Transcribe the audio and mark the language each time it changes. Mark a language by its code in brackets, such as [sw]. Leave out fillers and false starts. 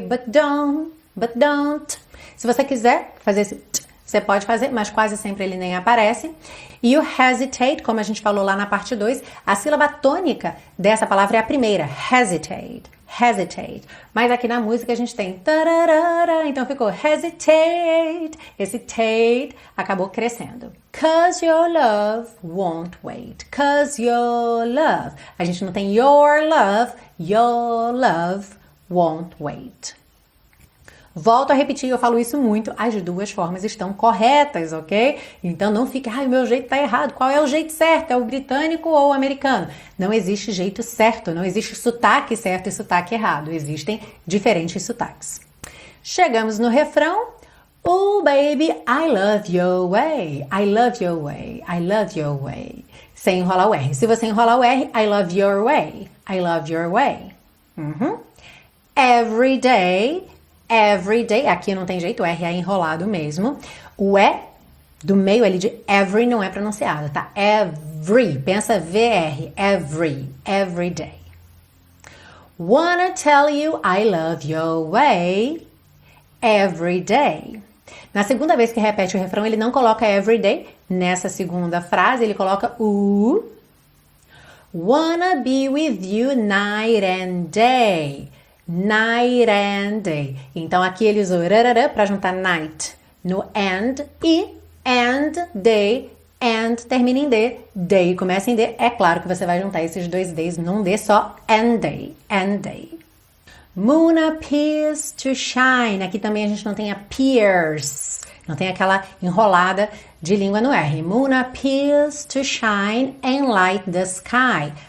[en] But don't, [pt] se você quiser fazer esse t, você pode fazer, mas quase sempre ele nem aparece. E o hesitate, como a gente falou lá na parte 2, a sílaba tônica dessa palavra é a primeira, hesitate. Hesitate. Mas aqui na música a gente tem tararara, então ficou hesitate. Esse tate acabou crescendo. [en] Cause your love won't wait. Cause your love. [pt] A gente não tem [en] your love won't wait. [pt] Volto a repetir, eu falo isso muito, as duas formas estão corretas, ok? Então não fique, ai, meu jeito tá errado. Qual é o jeito certo? É o britânico ou o americano? Não existe jeito certo, não existe sotaque certo e sotaque errado. Existem diferentes sotaques. Chegamos no refrão. [en] Oh, baby, I love your way. I love your way. I love your way. [pt] Sem enrolar o R. Se você enrolar o R, I love your way. [en] I love your way. Uhum. Every day... Every day, [pt] aqui não tem jeito, o R é enrolado mesmo. O E Do meio ali de every não é pronunciado, tá? [en] Every. [pt] Pensa VR. [en] Every. Every day. Wanna tell you I love your way. Every day. [pt] Na segunda vez que repete o refrão, ele não coloca [en] every day. [pt] Nessa segunda frase, ele coloca o. [en] Wanna be with you night and day. Night and day. [pt] Então, aqui ele usou rarara para juntar night no and e and day, and termina em D, day começa em D. É claro que você vai juntar esses dois Ds num D só, [en] and day, and day. Moon appears to shine. [pt] Aqui também a gente não tem appears, não tem aquela enrolada de língua no R. [en] Moon appears to shine and light the sky.